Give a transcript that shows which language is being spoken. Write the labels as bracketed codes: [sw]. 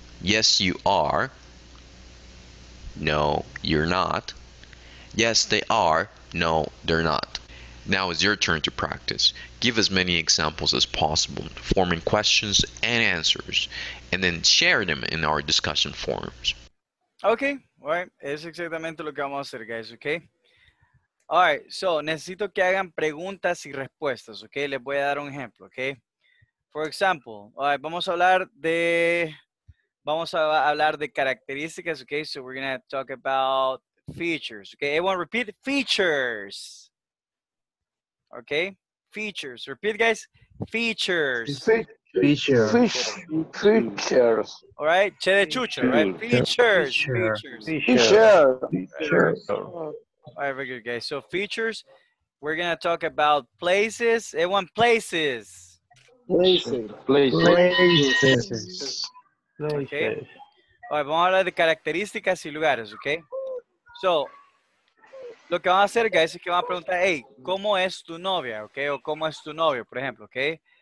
[en] Yes, you are. No, you're not. Yes, they are. No, they're not. Now it's your turn to practice. Give as many examples as possible, forming questions and answers, and then share them in our discussion forums. Okay, all right. [es] Es exactamente lo que vamos a hacer, guys, okay? All right, so necesito que hagan preguntas y respuestas, ¿ok? Les voy a dar un ejemplo, ¿ok? For example, all right, vamos a hablar de características, ¿ok? [en] So we're going to talk about features, ¿ok? Everyone repeat features, ¿ok? Features, repeat, guys, features. Features. All right, che de chucho, right? Features. Features. All right, very good, guys. So features, we're going to talk about places. Everyone, places. Places. [es] Okay. All right, vamos a hablar de características y lugares, okay? So, lo que vamos a hacer, guys, es que vamos a preguntar, hey, ¿cómo es tu novia? Okay, o ¿cómo es tu novio, por ejemplo, okay?